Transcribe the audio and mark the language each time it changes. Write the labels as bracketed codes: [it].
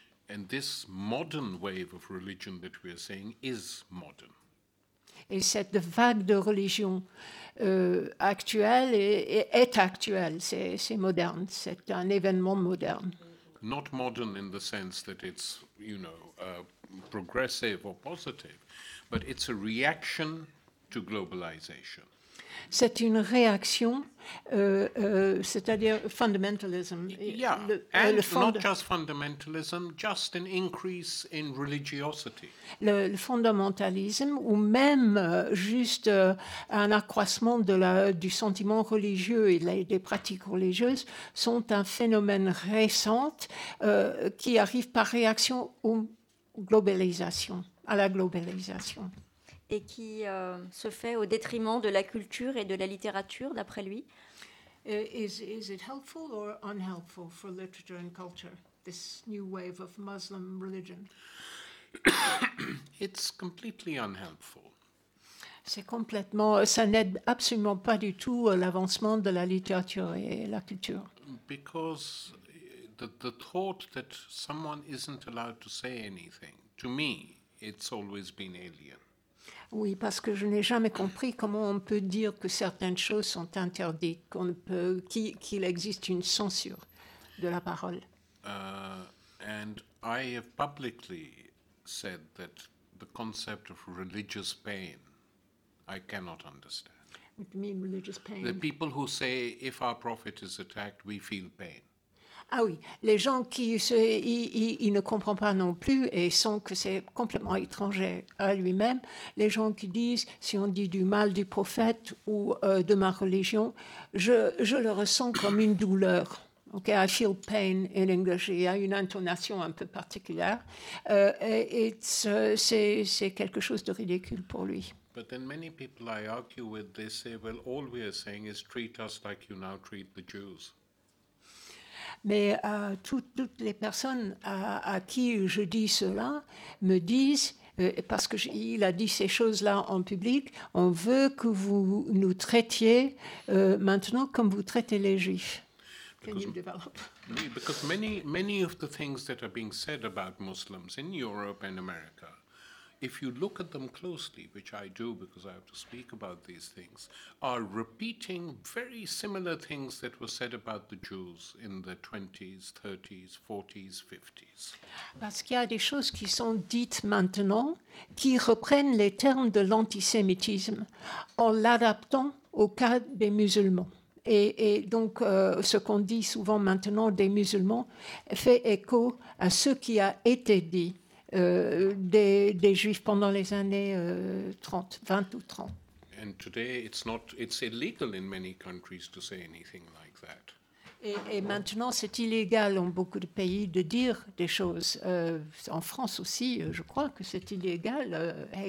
[en] And this modern wave of religion that we are seeing is modern. [fr] Et cette vague de religion actuelle est actuelle, c'est moderne, c'est un événement moderne. [en] Not modern in the sense that it's, you know, progressive or positive, but it's a reaction to globalization. [fr] C'est une réaction, c'est-à-dire fundamentalism. [en] Yeah, not just fundamentalism, just an increase in religiosity. [fr] Le fundamentalisme, ou même juste un accroissement du sentiment religieux et des pratiques religieuses, sont un phénomène récent qui arrive par réaction à la globalisation. Et qui se fait au détriment de la culture et de la littérature, d'après lui. [en] Is it helpful or unhelpful for literature and culture, this new wave of Muslim religion? It's completely unhelpful. [fr] Ça n'aide absolument pas du tout l'avancement de la littérature et la culture. [en] Because the thought that someone isn't allowed to say anything, to me, it's always been alien. [fr] Oui, parce que je n'ai jamais compris comment on peut dire que certaines choses sont interdites, qu'on ne peut, qu'il existe une censure de la parole. [en] And I have publicly said that the concept of religious pain, I cannot understand. What do you mean, religious pain? The people who say, if our prophet is attacked, we feel pain. [fr] Ah oui, les gens qui ils ne comprennent pas non plus et sont que c'est complètement étranger à lui-même. Les gens qui disent, si on dit du mal du prophète ou de ma religion, je le ressens comme une douleur. [en] Okay, I feel pain in English. [fr] Il y a une intonation un peu particulière. C'est quelque chose de ridicule pour lui. [en] But then many people I argue with, they say, well, all we are saying is treat us like you now treat the Jews. [fr] Mais toutes les personnes à qui je dis cela me disent, parce qu'il a dit ces choses-là en public, on veut que vous nous traitiez maintenant comme vous traitez les Juifs. [en] Because many of the things that are being said about Muslims in Europe and America, if you look at them closely, which I do because I have to speak about these things, are repeating very similar things that were said about the Jews in the 20s, 30s, 40s, 50s. [fr] Parce qu'il y a des choses qui sont dites maintenant qui reprennent les termes de l'antisémitisme en l'adaptant au cas des musulmans. Et donc, ce qu'on dit souvent maintenant des musulmans fait écho à ce qui a été dit des juifs pendant les années 30, 20 ou 30. [en] And today it's illegal in many countries to say anything like that. [fr] Et maintenant, c'est illégal en beaucoup de pays de dire des choses. En France aussi, je crois que c'est illégal.